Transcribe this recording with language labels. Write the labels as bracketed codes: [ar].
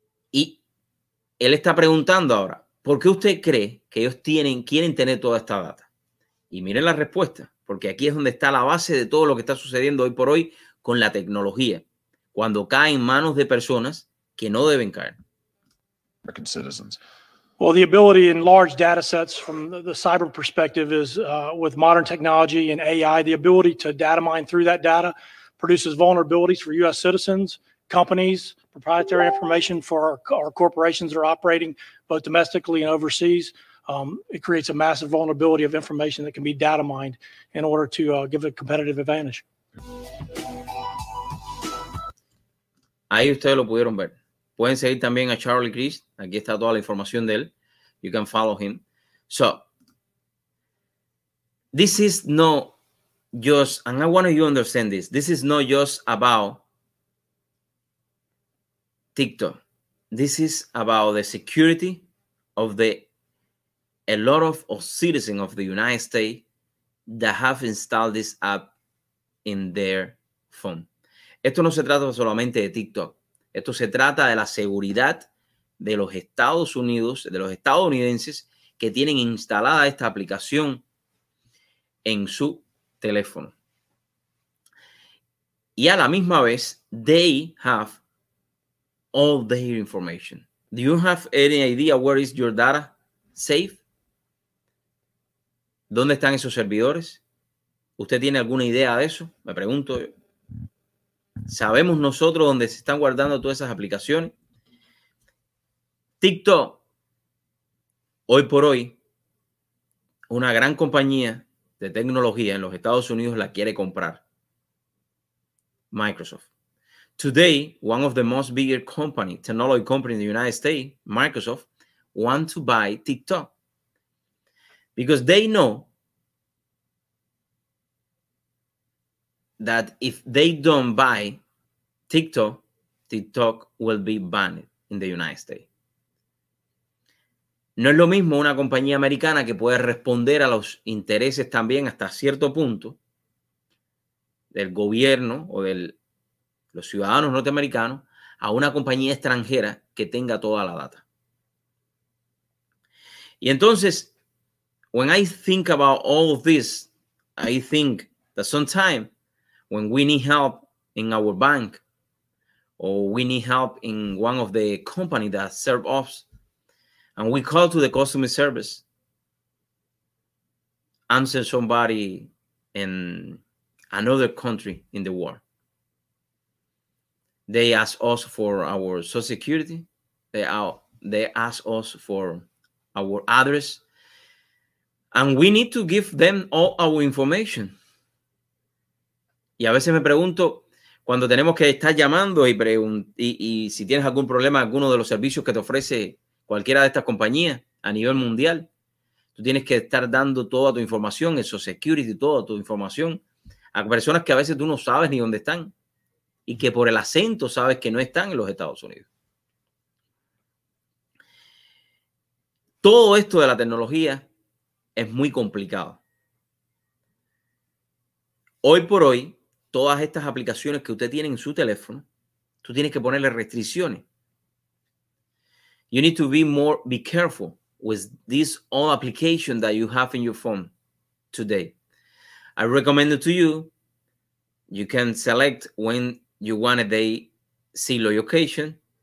[es] Y él está preguntando ahora, ¿por qué usted cree que ellos tienen, quieren tener toda esta data? Y miren la respuesta, porque aquí es donde está la base de todo lo que está sucediendo hoy por hoy con la tecnología, cuando cae en manos de personas que no deben caer. [en] American citizens. Well, the ability in large data sets from the cyber perspective is with modern technology and AI, the ability to data mine through that data produces vulnerabilities for U.S. citizens, companies, proprietary information for our corporations that are operating both domestically and overseas. It creates a massive vulnerability of information that can be data mined in order to give a competitive advantage. [es] Ahí ustedes lo pudieron ver. Pueden seguir también a Charlie Crist. Aquí está toda la información de él. [en] You can follow him. So, this is not just, and I want you to understand this, this is not just about TikTok. This is about the security of the a lot of citizens of the United States that have installed this app in their phone. [es] Esto no se trata solamente de TikTok. Esto se trata de la seguridad de los Estados Unidos, de los estadounidenses que tienen instalada esta aplicación en su teléfono. Y a la misma vez, [en] they have all their information. Do you have any idea where is your data safe? [es] ¿Dónde están esos servidores? ¿Usted tiene alguna idea de eso? Me pregunto yo. ¿Sabemos nosotros dónde se están guardando todas esas aplicaciones? TikTok, hoy por hoy, una gran compañía de tecnología en los Estados Unidos la quiere comprar. [en] Microsoft. Today, one of the most bigger company, technology company in the United States, Microsoft, want to buy TikTok. Because they know that if they don't buy TikTok, TikTok will be banned in the United States. [es] No es lo mismo una compañía americana que puede responder a los intereses también hasta cierto punto del gobierno o de los ciudadanos norteamericanos a una compañía extranjera que tenga toda la data. Y entonces, [en] when I think about all of this, I think that sometimes when we need help in our bank, or we need help in one of the companies that serve us, and we call to the customer service, answer somebody in another country in the world. They ask us for our social security. They ask us for our address. And we need to give them all our information. [es] Y a veces me pregunto, cuando tenemos que estar llamando y si tienes algún problema, alguno de los servicios que te ofrece cualquiera de estas compañías a nivel mundial, tú tienes que estar dando toda tu información, el social security, toda tu información a personas que a veces tú no sabes ni dónde están y que por el acento sabes que no están en los Estados Unidos. Todo esto de la tecnología es muy complicado. Hoy por hoy, todas estas aplicaciones que usted tiene en su teléfono, tú tienes que ponerle restricciones. [en] You need to be careful with this all application that you have in your phone today. I recommend it to you. You can select when you want to see location.